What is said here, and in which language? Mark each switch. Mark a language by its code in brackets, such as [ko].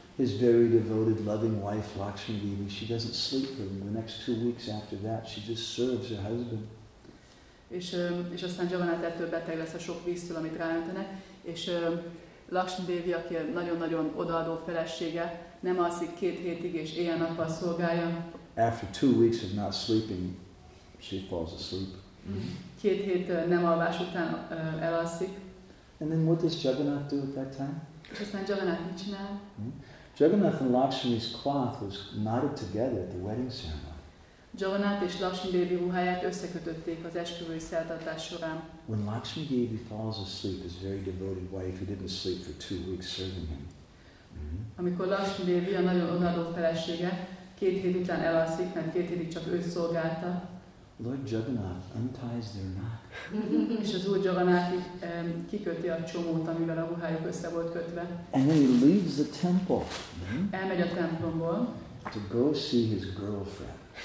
[en] His very devoted, loving wife, Lakshmi Devi, she doesn't sleep for him. The next 2 weeks after that, she just serves her husband. [hu] És aztán Jagannath ettől beteg lesz a sok víztől, amit ráöntenek, és Lakshmi Devi, aki nagyon-nagyon odaadó felesége, nem alszik 2 hétig, és éjjel-nappal szolgálja. [en] After 2 weeks of not sleeping, she falls asleep. Mm-hmm. [hu] 2 hét nem alvás után elalszik. [en] And then what does Jagannath do at that time? [hu] És aztán Jagannath mit csinál? [en] Jagannath and Lakshmi's cloth was knotted together at the wedding ceremony. [hu] Jagannath és Lakshmi Devi ruháját összekötötték az esküvői szertartás során. [en] When Lakshmi Devi falls asleep, his very devoted wife, who didn't sleep for 2 weeks serving him, [hu] amikor Lakshmi Devi, a nagyon odaadó felesége, 2 hét után elalszik, mert 2 hétig csak ő szolgálta. [en] Lord Jagannath unties their knot. [hu] És az Úr Jagannath kiköti a csomót, amivel a ruhájuk össze volt kötve. [en] And then he leaves the temple. [hu] Elmegy a templomból. [en] To go see his girlfriend.